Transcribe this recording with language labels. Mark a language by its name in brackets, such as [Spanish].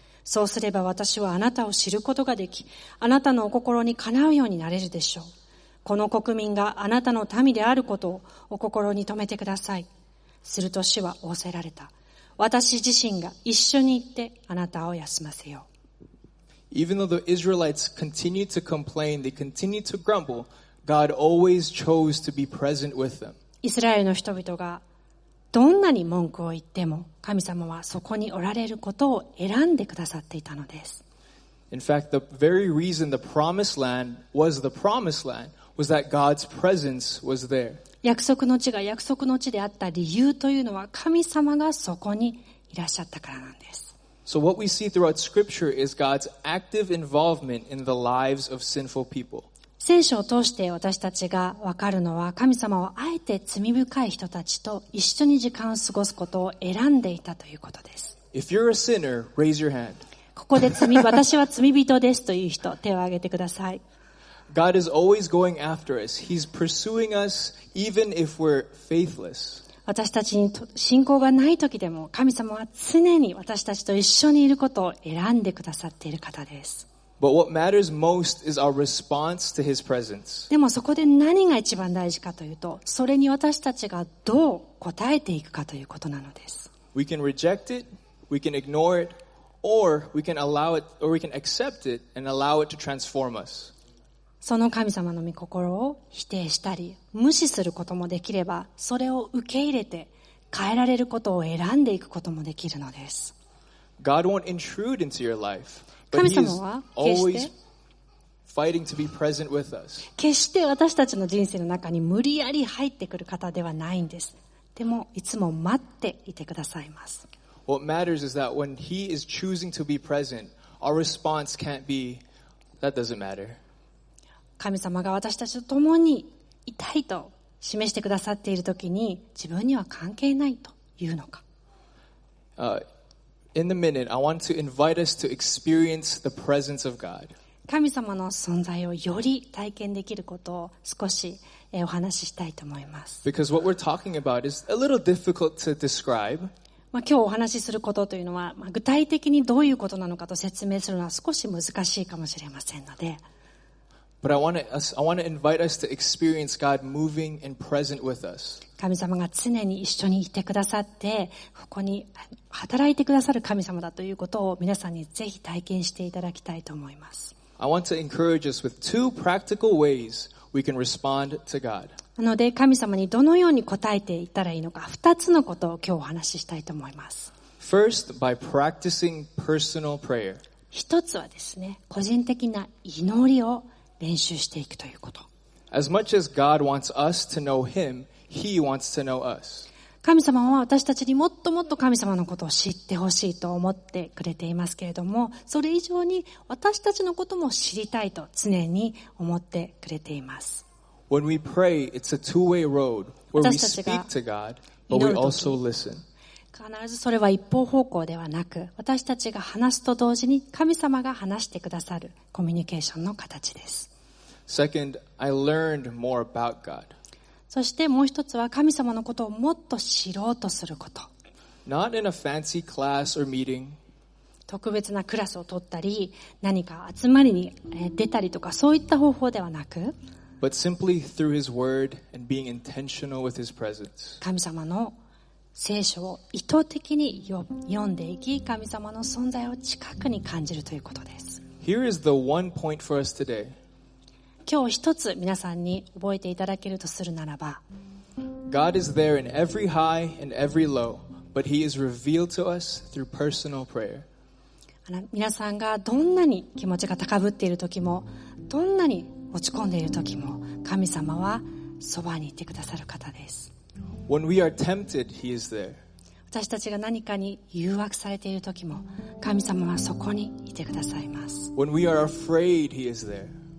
[Japanese] そうすれば私はあなたを知ることができ、あなたのお心にかなうようになれるでしょう。この国民があなたの民であることをお心に留めてください。すると主は仰せられた。私自身が一緒に行ってあなたを休ませよう。 [English] Even though the Israelites continued to complain, they continued to grumble, God always chose to be present with them. [Japanese] イスラエルの人々がどんなに文句を言っても、神様はそこにおられることを選んでくださっていたのです。 [English] In fact, the very reason the promised land was the promised land was that God's presence was there. [Japanese] 約束の地が約束の地であった理由というのは神様がそこにいらっしゃったからなんです。 [English] So what we see throughout scripture is God's active involvement in the lives of sinful people. [Japanese] 聖書を通して私たちが分かるのは、神様はあえて罪深い人たちと一緒に時間を過ごすことを選んでいたということです。 [English] If you're a sinner, raise your hand. [Japanese] ここで罪、私は罪人ですという人、手を挙げてください。 [English] God is always going after us. He's pursuing us even if we're faithless. [Japanese] 私たちに信仰がない時でも、神様は常に私たちと一緒にいることを選んでくださっている方です。 [English] But what matters most is our response to His presence. [Japanese] でもそこで何が一番大事かというと、それに私たちがどう応えていくかということなのです。 [English] We can reject it, we can ignore it, or we can allow it, or we can accept it and allow it to transform us. [Japanese] その神様の御心を否定したり、無視することもできれば、それを受け入れて変えられることを選んでいくこともできるのです。 [English] God won't intrude into your life. [Japanese] 神様は決して私たちの人生の中に無理やり入ってくる方ではないんです。でもいつも待っていてくださいます。 [English] What matters is that when He is choosing to be present, our response can't be, that doesn't matter. [Japanese] 神様が私たちと共にいたいと示してくださっているときに、自分には関係ないというのか。 [English] In the minute, I want to invite us to experience the presence of God. [Japanese] 神様の存在をより体験できることを少しお話ししたいと思います。 [English] Because what we're talking about is a little difficult to describe. [Japanese] 今日お話しすることというのは、具体的にどういうことなのかと説明するのは少し難しいかもしれませんので。 [English] But I want to invite us to experience God moving and present with us. [Japanese] 神様が常に一緒にいてくださって、ここに働いてくださる神様だということを皆さんにぜひ体験していただきたいと思います。 [English] I want to encourage us with two practical ways we can respond to God. [Japanese] なので神様にどのように応えていったらいいのか、二つのことを今日お話ししたいと思います。 [English] First, by practicing personal prayer. [Japanese] 一つはですね、個人的な祈りを練習していくということ。 [English] As much as God wants us to know Him, He wants to know us. [Japanese] 神様は私たちにもっともっと神様のことを知ってほしいと思ってくれていますけれども、それ以上に私たちのことも知りたいと常に思ってくれています。 [English] When we pray, it's a two-way road where we speak to God, but we also listen. [Japanese] 必ずそれは一方方向ではなく、私たちが話すと同時に神様が話してくださるコミュニケーションの形です。 [English] Second, I learned more about God. [Japanese] そしてもう一つは神様のことをもっと知ろうとすること。 [English] Not in a fancy class or meeting. [Japanese] 特別なクラスを取ったり、何か集まりに出たりとか、そういった方法ではなく、 [English] But simply through His Word and being intentional with His presence. [Japanese] 神様の聖書を意図的に読んでいき、神様の存在を近くに感じるということです。 [English] Here is the one point for us today. [Japanese] 今日一つ皆さんに覚えていただけるとするならば、 [English] God is there in every high and every low, but He is revealed to us through personal prayer. [Japanese] 皆さんがどんなに気持ちが高ぶっている時も、どんなに落ち込んでいる時も、神様はそばにいてくださる方です。 [English] When we are tempted, He is there. [Japanese] 私たちが何かに誘惑されている時も、神様はそこにいてくださいます。 [English] When we are afraid, He is there.